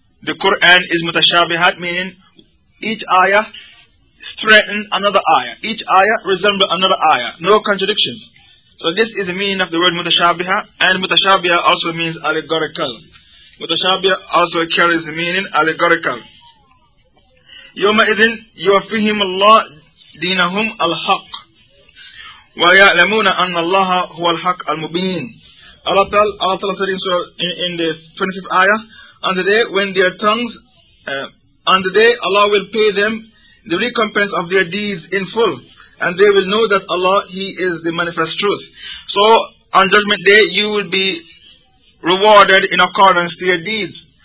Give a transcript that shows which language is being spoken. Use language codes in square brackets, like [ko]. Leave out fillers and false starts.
[en] The Quran is mutashabihat, meaning each ayah strengthens another ayah. Each ayah resembles another ayah. No contradictions. So this is the meaning of the word mutashabihah. And mutashabihah also means allegorical. Mutashabihah also carries the meaning allegorical. [ar] يوم إذن يوفيهم الله دينهم الحق ويعلمون أن الله هو الحق المبين. [en] Allah said in the 25th ayah, on the day when their tongues, on the day Allah will pay them the recompense of their deeds in full, and they will know that Allah, He is the manifest truth. So on judgment day, you will be rewarded in accordance to your deeds.